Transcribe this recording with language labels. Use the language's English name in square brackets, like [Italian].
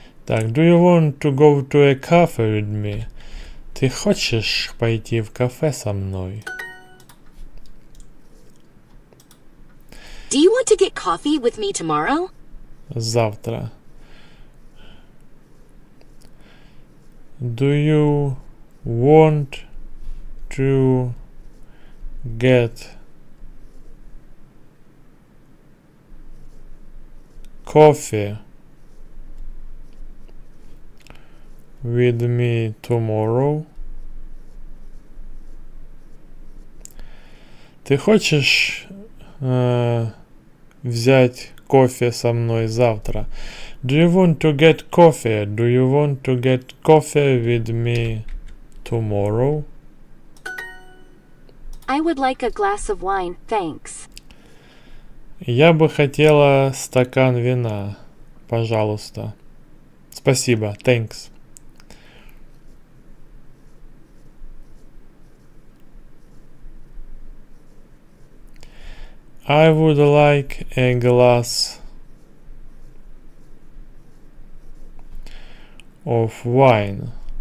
[English] Так, do you want to go to a cafe with me? [Russian] Ты хочешь пойти в кафе со мной? [English] Do you want to get coffee with me tomorrow? [Russian] Завтра. [English] Do you... Want to get coffee with me tomorrow? [Russian] Ты хочешь взять кофе со мной завтра? [English] Do you want to get coffee? Do you want to get coffee with me? Tomorrow. I would like a glass of wine, thanks. [Russian] Я бы хотела стакан вина, пожалуйста. Спасибо, thanks. [English] I would like a glass of wine.